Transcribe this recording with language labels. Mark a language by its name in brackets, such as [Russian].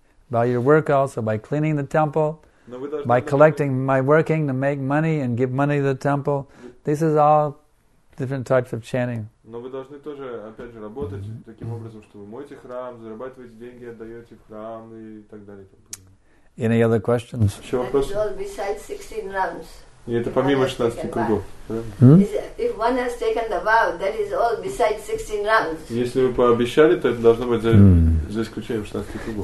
[English] By your work also, by cleaning the temple, by collecting my working to make money and give money to the temple, this is all different types of chanting. [Russian] Но вы должны тоже опять же работать таким образом, что вы моете храм, зарабатываете деньги, отдаете в храм и так далее. [English] Any other questions? [Russian] Еще вопрос? [English] Besides 16 rounds. [Russian] И это помимо 16 кругов. [English] If one has taken the vow, that is all besides 16 rounds. [Russian] Если вы пообещали, то это должно быть за исключением 16 кругов.